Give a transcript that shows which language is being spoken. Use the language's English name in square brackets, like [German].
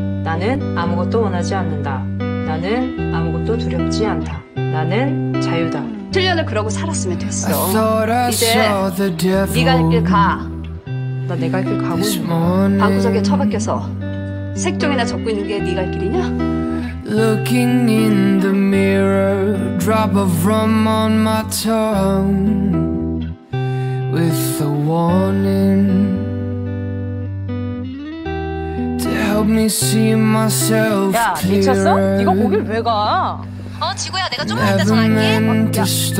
[Korean] 나는 아무것도 원하지 않는다. 나는 아무것도 두렵지 않다. 나는 자유다. 7년을 그러고 살았으면 됐어. 이제 네가 할 길 가. 나 내가 할 길 가고 싶어. 방구석에 처박혀서 색종이나 적고 있는 게 네가 할 길이냐? [English] Looking in the mirror, drop of rum on my tongue with a warning to help me see myself clearer. [Korean] 야, 미쳤어? 이거 거길 왜 가? 지구야, 내가 좀만 있다 전화할게.